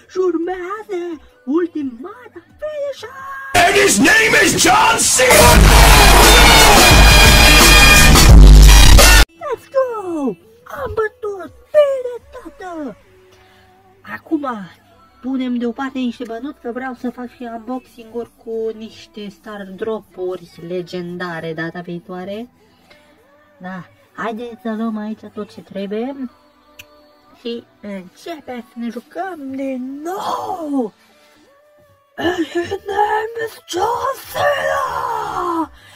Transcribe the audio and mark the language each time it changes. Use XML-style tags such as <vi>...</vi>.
<ro>Și urmează ultimata finisher!</ro> <en>And his name is John Cena! Let's go!</en> <ro>Am bătut! Bine, tată! Acum punem deoparte niște bănuți că vreau să fac și unboxing-uri cu niște star drop-uri legendare data viitoare. Da, haideți să luăm aici tot ce trebuie și începem să ne jucăm din nou!</ro> <en>And his name is John Cena!</en>